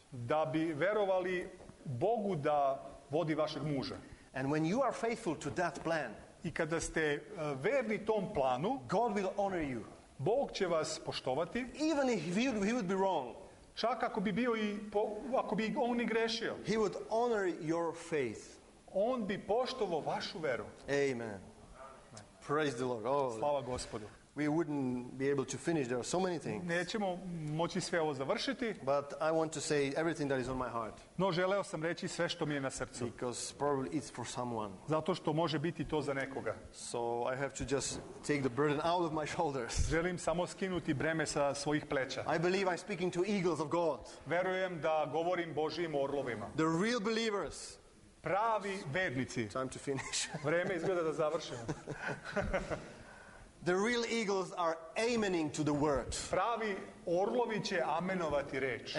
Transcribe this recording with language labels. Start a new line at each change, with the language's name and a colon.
Serbian: Da bi vjerovali Bogu da vodi vašeg muža.
English: And when you are faithful to that plan.
Serbian: I kada ste verni tom planu,
English: God will honor you.
Serbian: Bog će vas poštovati.
English: Even if he would be wrong.
Serbian: Čak ako bi bio i ako bi on i grešio.
English: He would honor your faith.
Serbian: On bi poštovao vašu veru.
English: Amen. Praise the Lord. Oh,
Serbian: slava Gospodu.
English: we wouldn't be able to finish. There are so many things.
Serbian: Nećemo moći sve ovo završiti.
English: But I want to say everything that is on my heart.
Serbian: No, želeo sam reći sve što mi je na srcu.
English: Because probably it's for someone.
Serbian: Zato što može biti to za nekoga.
English: So I have to just take the burden out of my shoulders.
Serbian: Želim samo skinuti breme sa svojih pleća.
English: I believe I'm speaking to eagles of God.
Serbian: Verujem da govorim Božjim orlovima.
English: The real believers.
Serbian: Pravi vernici.
English: Time to finish.
Serbian: Vreme izgleda da završimo.
English: The real eagles are amening to the word.
Serbian: Pravi orlovi će amenovati reč.